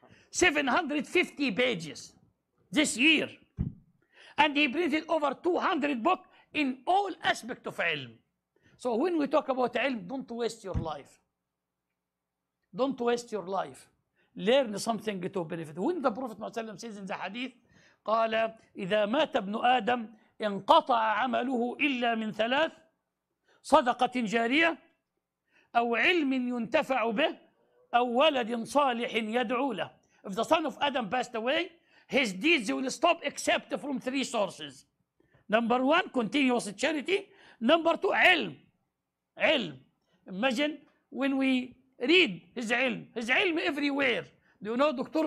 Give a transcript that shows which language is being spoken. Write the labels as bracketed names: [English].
[English] 750 pages this year. And he printed over 200 books in all aspects of ilm. So when we talk about ilm, don't waste your life. Don't waste your life. Learn something to benefit. When the Prophet ﷺ says in the hadith, [Arabic] قال إذا مات ابن آدم انقطع عمله إلا من ثلاث صدقة جارية أو علم ينتفع به أو ولد صالح يدعو له. [English] If the son of Adam passed away, his deeds will stop except from three sources. Number one, continuous charity. Number two, علم. [Arabic] علم. [English] Imagine when we read his ilm. His ilm everywhere. Do you know Dr.